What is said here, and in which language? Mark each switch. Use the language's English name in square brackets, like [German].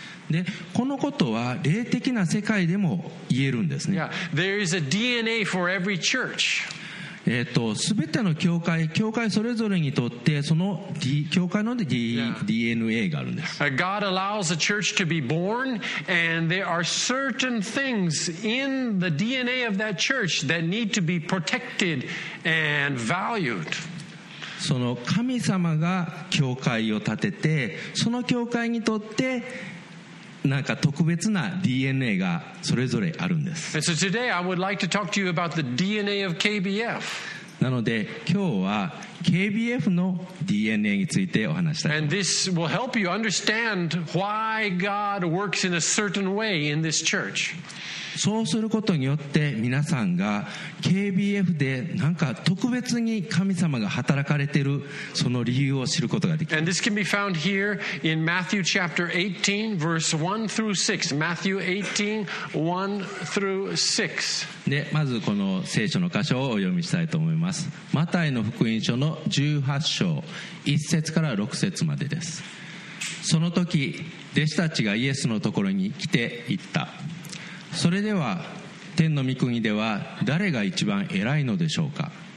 [Japanese] で、このことは霊的な世界でも言えるんですね。 [English] Yeah, there is a DNA for every church. [Japanese] 全ての教会、教会それぞれにとってその教会の DNA があるんです。 [English] God allows a church to be born and there are certain things in the DNA of that church that need to be protected and valued. [Japanese] その神様が教会を建てて、その教会にとってなんか特別な DNA がそれぞれあるんです。 [English] And so today I would like to talk to you about the DNA of KBF. [Japanese] なので今日は KBF の DNA についてお話したいと思います。 [English] And this will help you understand why God works in a certain way in this church. [Japanese] そうすることによって皆さんが KBF でなんか特別に神様が働かれているその理由を知ることができる。 [English] And this can be found here in Matthew chapter 18 verse 1 through 6. Matthew 18, 1 through 6. [Japanese] で、まずこの聖書の箇所をお読みしたいと思います。マタイの福音書の18章1節から6節までです。その時弟子たちがイエスのところに来て言った。それでは天の御国では誰が一番偉いのでしょうか。